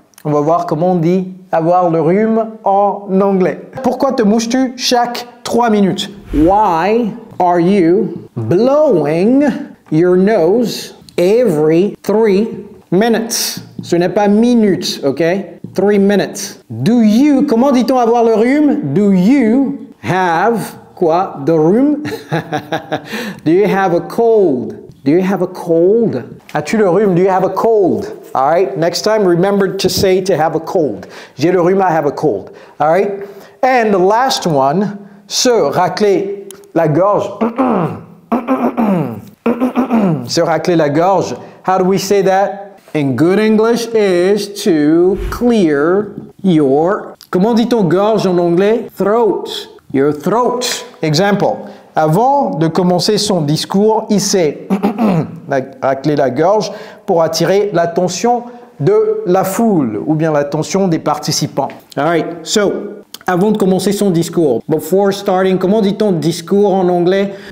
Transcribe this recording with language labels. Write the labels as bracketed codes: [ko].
[fr] On va voir comment on dit avoir le rhume en anglais. Pourquoi te mouches-tu chaque 3 minutes? [en] Why are you blowing your nose every 3 minutes? [fr] Ce n'est pas minutes, ok? 3 minutes. [en] Do you, [fr] comment dit-on avoir le rhume? [en] Do you have, quoi, the rhume? Do you have a cold? Do you have a cold? [fr] As-tu le rhume? [en] Do you have a cold? All right, next time, remember to say to have a cold. [fr] J'ai le rhume, [en] I have a cold. All right, and the last one, [fr] se racler. La gorge. Se racler la gorge. [en] How do we say that? In good English is to clear your [fr] Comment dit-on gorge en anglais? [en] Throat. Your throat. Example. [fr] Avant de commencer son discours, il s'est raclé la gorge pour attirer l'attention de la foule ou bien l'attention des participants. [en] All right. So, [fr] avant de commencer son discours, [en] before starting, [fr] comment dit-on discours en anglais?